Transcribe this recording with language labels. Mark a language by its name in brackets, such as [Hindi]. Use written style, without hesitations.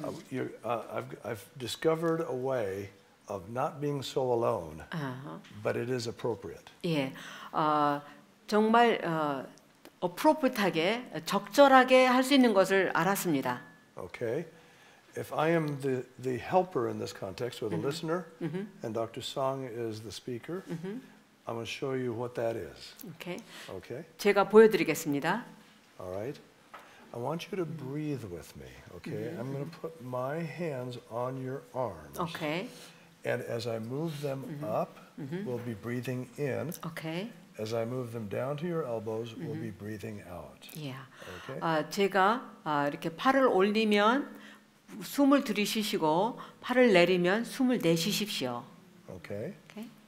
[English] Yeah, I've discovered a way. Of not being so alone, but it is appropriate. [Korean] 예, 정말 appropriate하게 적절하게 할 수 있는 것을 알았습니다. [English] Okay, if I am the helper in this context, or the listener, and Dr. Song is the speaker, I'm going to show you what that is. Okay. Okay. [Korean] 제가 보여드리겠습니다. [English] All right. I want you to breathe with me. Okay. I'm going to put my hands on your arms. Okay. And as I move them up, we'll be breathing in. Okay. As I move them down to your elbows, we'll be breathing out. Yeah. Okay. [Korean] 제가 이렇게 팔을 올리면 숨을 들이쉬시고 팔을 내리면 숨을 내쉬십시오. [English] Okay. Okay.